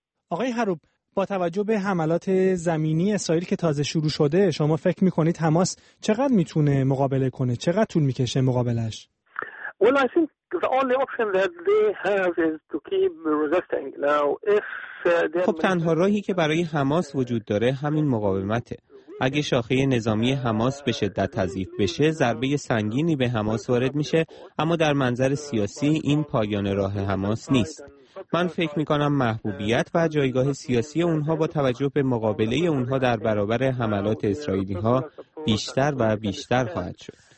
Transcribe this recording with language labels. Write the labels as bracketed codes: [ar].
[fa] آقای حروب، با توجه به حملات زمینی اسرائیل که تازه شروع شده، شما فکر میکنید حماس چقدر میتونه مقابله کنه؟ چقدر طول میکشه مقابلش؟ [en] Well, I think the only option that they have is to keep resisting. Now, [fa] خب تنها راهی که برای حماس وجود داره همین مقاومته. اگه شاخه نظامی حماس به شدت تضعیف بشه، ضربه سنگینی به حماس وارد میشه، اما در منظر سیاسی این پایان راه حماس نیست. من فکر میکنم محبوبیت و جایگاه سیاسی اونها با توجه به مقابله اونها در برابر حملات اسرائیلی ها بیشتر و بیشتر خواهد شد.